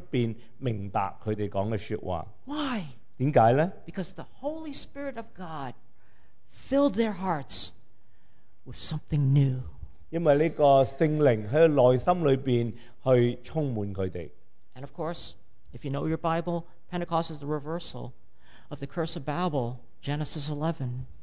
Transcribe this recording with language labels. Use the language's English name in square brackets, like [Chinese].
[Chinese] 但其他的人就完全在外面明白他们说的说话. [English] Why? [Chinese] 为什么呢? [English] Because the Holy Spirit of God filled their hearts with something new. [Chinese] 因为这个圣灵在内心里面去充满他们. [English] And of course, if you know your Bible, Pentecost is the reversal of the curse of Babel, Genesis 11.